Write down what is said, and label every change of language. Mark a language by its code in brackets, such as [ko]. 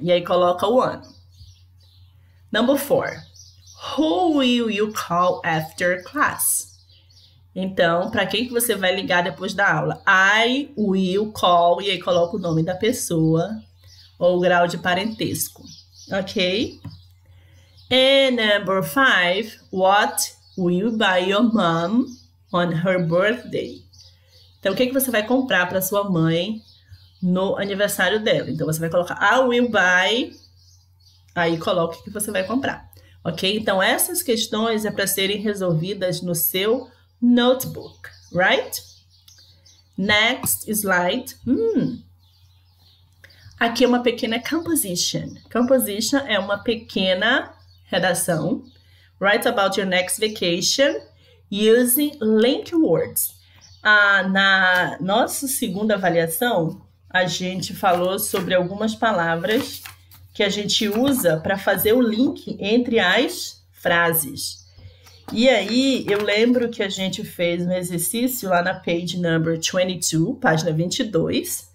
[pt] E aí coloca o ano. [en] Number four. Who will you call after class? [pt] Então, para quem que você vai ligar depois da aula? [en] I will call. [pt] E aí coloca o nome da pessoa ou o grau de parentesco. [en] Ok? And number five. What will you buy your mom on her birthday? [pt] Então, o que que você vai comprar para sua mãe no aniversário dela? Então, você vai colocar [en] I will buy. [pt] Aí coloca o que você vai comprar. Ok? Então, essas questões é para serem resolvidas no seu notebook, right? [en] Next slide. [pt] Aqui é uma pequena composition. Composition é uma pequena redação. [en] Write about your next vacation using linked words. [pt] Na nossa segunda avaliação, a gente falou sobre algumas palavras que a gente usa para fazer o link entre as frases. E aí, eu lembro que a gente fez um exercício lá na [en] page number 22, [pt] página 22.